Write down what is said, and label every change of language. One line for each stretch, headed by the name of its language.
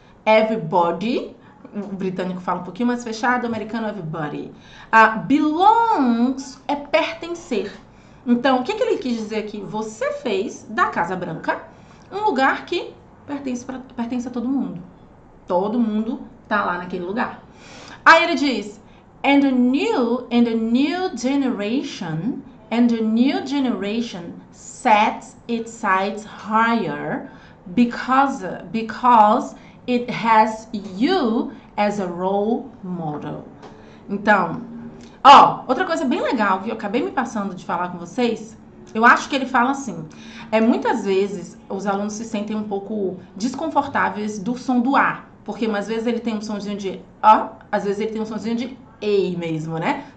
Portuguese: Everybody, o britânico fala um pouquinho mais fechado, o americano everybody. Belongs é pertencer. Então, o que, que ele quis dizer aqui? Você fez da Casa Branca um lugar que pertence a todo mundo. Todo mundo tá lá naquele lugar. Aí ele diz,
English: and a new generation sets its sights higher because it has you as a role model.
Portuguese: Então, ó, outra coisa bem legal que eu acabei me passando de falar com vocês, eu acho que ele fala assim, muitas vezes os alunos se sentem um pouco desconfortáveis do som do A, porque às vezes ele tem um sonzinho de ó, às vezes ele tem um sonzinho de ei mesmo, né?